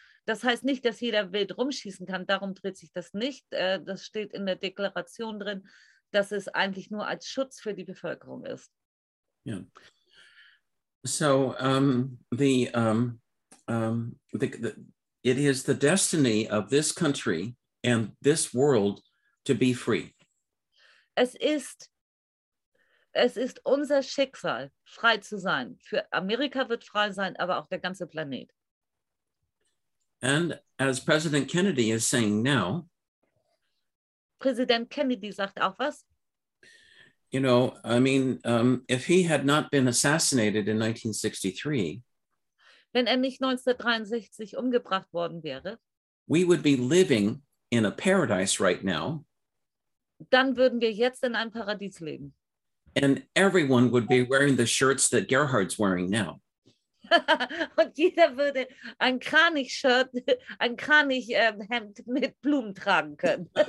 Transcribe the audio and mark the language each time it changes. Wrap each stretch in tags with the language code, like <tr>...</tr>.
<de>Das heißt nicht, dass jeder wild rumschießen kann, darum dreht sich das nicht. Das steht in der Deklaration drin, dass es eigentlich nur als Schutz für die Bevölkerung ist. Ja.</de> <en>So, it is the destiny of this country and this world to be free.</en> <de>Es ist unser Schicksal, frei zu sein. Für Amerika wird frei sein, aber auch der ganze Planet.</de> <en>And as President Kennedy is saying now,</en> <de>President Kennedy sagt auch was.</de> <en>You know, I mean, if he had not been assassinated in 1963,</en> <de>wenn er nicht 1963 umgebracht worden wäre,</de> <en>we would be living in a paradise right now.</en> <de>Dann würden wir jetzt in einem Paradies leben.</de> <en>And everyone would be wearing the shirts that Gerhard's wearing now.</en> <de>Und jeder würde ein Kranich-Shirt, ein Kranich-Hemd mit Blumen tragen können.</de>